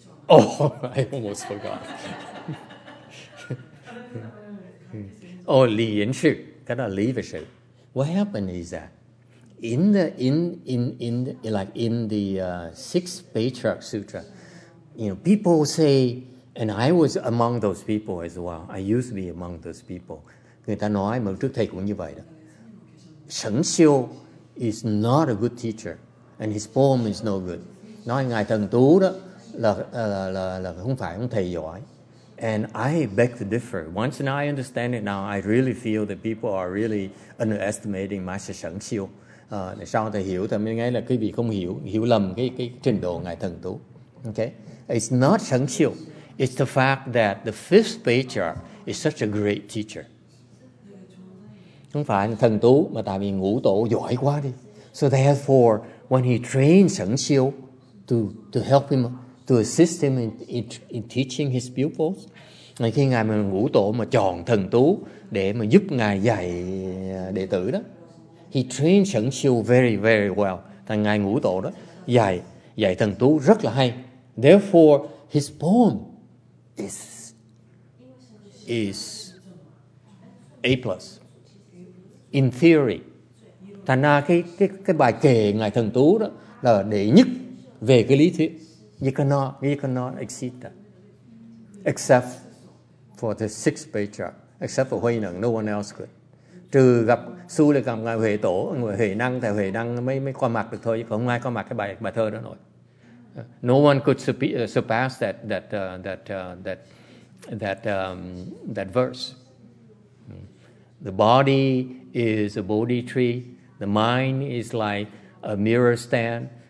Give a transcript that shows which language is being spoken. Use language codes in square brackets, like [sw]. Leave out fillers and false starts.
[en] Oh, I almost forgot. [vi] Oh, lý yến sự, cái đó lý về sự. [en] What happened is that in the Six Patriarch Sutra, you know, people say, and I was among those people as well. I used to be among those people. [vi] Người ta nói mà trước thầy cũng như vậy đó. [en] Sẵn siêu is not a good teacher, and his poem is no good. [vi] Nói ngài thần tú đó là không phải ông thầy giỏi. [en] And I beg to differ. Once now I understand it now, I really feel that people are really underestimating Master Sẵn Siêu. [vi] Sau thầy hiểu, thầy mới nghe là quý vị không hiểu, hiểu lầm cái trình độ Ngài Thần Tú. [en] Okay? It's not Sẵn Siêu. It's the fact that the fifth patriarch is such a great teacher. [vi] Không phải Thần Tú, mà tại vì Ngũ Tổ giỏi quá đi. [en] So therefore, when he trains Sẵn Siêu to help him, to assist him in teaching his pupils. [vi] Ngày khi ngài mà Ngũ Tổ mà chọn Thần Tú để mà giúp ngài dạy đệ tử đó, [en] he trained Sẵn Siêu very very well. [vi] Thằng ngài Ngũ Tổ đó dạy Thần Tú rất là hay. [en] Therefore, his poem is A plus in theory. [vi] Thành ra cái bài kệ ngài Thần Tú đó là đệ nhất về cái lý thuyết. [en] You cannot exceed that, except for the sixth patriarch, except for Huynh Ngang. No one else could. [vi] trừ gặp su là gặp ngài Huệ Tổ, người Huệ Năng, thầy Huệ Năng mới qua mặt được thôi, chứ không ai qua mặt cái bài thơ đó nổi. [en] No one could surpass that verse. The body is a Bodhi tree. The mind is like a mirror stand.